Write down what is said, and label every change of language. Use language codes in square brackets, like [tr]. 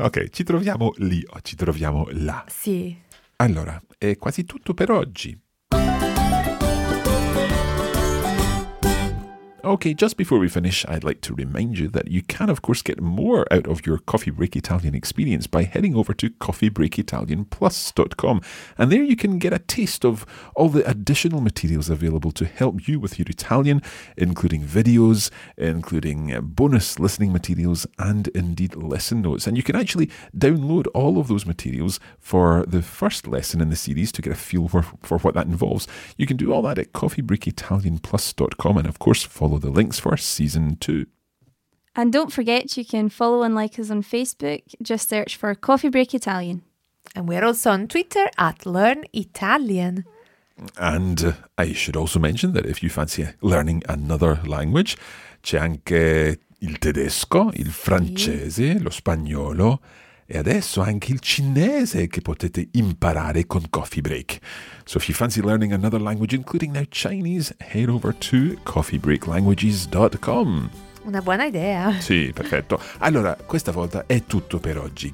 [it] Ci troviamo lì o ci troviamo là? Sì. Allora, è quasi tutto per oggi. [en] Okay, just before we finish, I'd like to remind you that you can, of course, get more out of your Coffee Break Italian experience by heading over to coffeebreakitalianplus.com. And there you can get a taste of all the additional materials available to help you with your Italian, including videos, including bonus listening materials, and indeed lesson notes. And you can actually download all of those materials for the first lesson in the series to get a feel for what that involves. You can do all that at coffeebreakitalianplus.com, and of course, follow the links for season 2. And don't forget, you can follow and like us on Facebook. Just search for Coffee Break Italian. And we're also on Twitter at Learn Italian. And I should also mention that if you fancy learning another language, [it] c'è anche il tedesco, il francese, lo spagnolo e adesso anche il cinese che potete imparare con Coffee Break. [en] So if you fancy learning another language, including now Chinese, head over to coffeebreaklanguages.com. [it] Una buona idea. Sì, perfetto. Allora, questa volta è tutto per oggi.